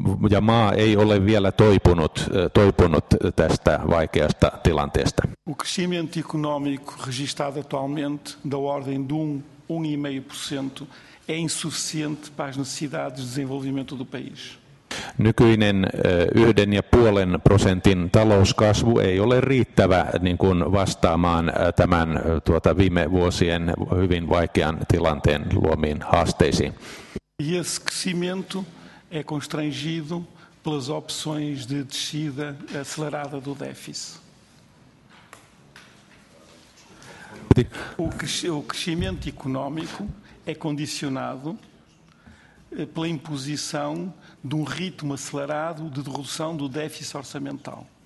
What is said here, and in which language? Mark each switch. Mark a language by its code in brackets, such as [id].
[fi] Ja maa ei ole vielä toipunut tästä vaikeasta tilanteesta. [pt] O crescimento económico registrado atualmente, da ordem de 1,5%, é insuficiente para as necessidades de desenvolvimento do país. [fi] Nykyinen 1,5% talouskasvu ei ole riittävä niin kuin vastaamaan tämän viime vuosien hyvin vaikean tilanteen luomiin haasteisiin. [pt] E esse crescimento é constrangido pelas opções de descida acelerada do déficit. O crescimento econômico é condicionado pela imposição de ritmo acelerado de redução do déficit orçamental.